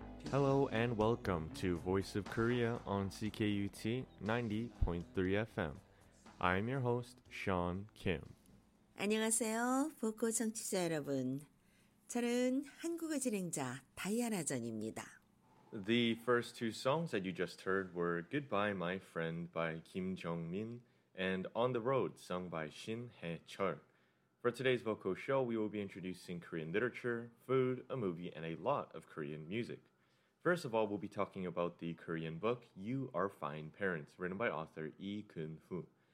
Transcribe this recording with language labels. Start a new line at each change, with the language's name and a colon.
English: Hello and welcome to Voice of Korea on CKUT 90.3 FM. I'm your host, Sean Kim.
Korean: 안녕하세요, 보코 청취자 여러분. 저는 한국어 진행자 다이아나 전입니다.
English: The first two songs that you just heard were Goodbye, My Friend by Kim Jong-min and On the Road sung by Shin Hae-chul. For today's vocal show, we will be introducing Korean literature, food, a movie, and a lot of Korean music. First of all, we'll be talking about the Korean book You Are Fine Parents, written by author Lee Kun-hoo.